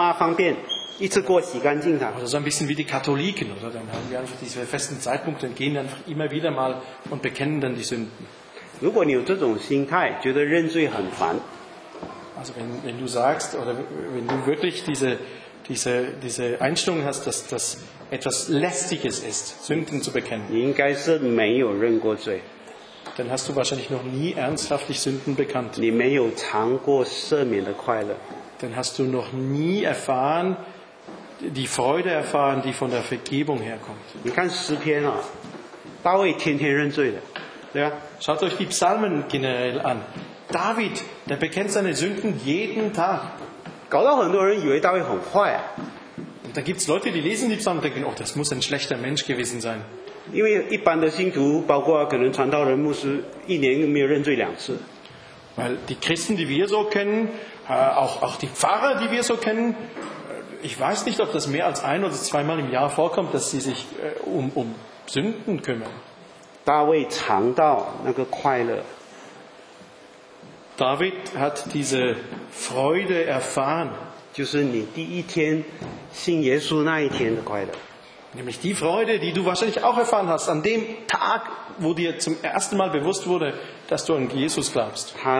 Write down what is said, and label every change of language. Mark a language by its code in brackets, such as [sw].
[zh] 啊，学一下天主教啊，就一两年再去告诫一次，不是可以了吗？方便，一次过洗干净它。 [de] Also so ein bisschen wie die Katholiken, oder? Dann haben wir einfach diese festen Zeitpunkte und gehen einfach immer wieder mal und bekennen dann die Sünden. [zh] 如果你有这种心态，觉得认罪很烦。 [de] Also wenn du sagst, oder wenn du wirklich diese Einstellung hast, dass das etwas Lästiges ist, Sünden zu bekennen, [zh] 你应该是没有认过罪。 [de] Dann hast du wahrscheinlich noch nie ernsthaftig Sünden bekannt. [zh] 你没有尝过赦免的快乐。 [de] Dann hast du noch nie erfahren, die Freude erfahren, die von der Vergebung herkommt. [zh] 你看诗篇啊，大卫天天认罪的。 [de] Schaut euch die Psalmen generell an. David, Er bekennt seine Sünden jeden Tag. [zh] 搞到很多人以为大卫很坏啊。 [de] Und da gibt es Leute, die lesen die Psalmen und denken, oh, das muss ein schlechter Mensch gewesen sein. [zh] 因为一般的信徒, 包括可能传道人, 牧师, 一年没有认罪两次。 [de] Weil die Christen, die wir so kennen, auch die Pfarrer, die wir so kennen, ich weiß nicht, ob das mehr als ein oder zweimal im Jahr vorkommt, dass sie sich um Sünden kümmern. [zh] 大卫尝到那个快乐。 [de] David hat diese Freude erfahren. [zh] 就是你第一天信耶稣那一天的快乐。 [de] Nämlich die Freude, die du wahrscheinlich auch erfahren hast, an dem Tag, wo dir zum ersten Mal bewusst wurde, dass du an Jesus glaubst.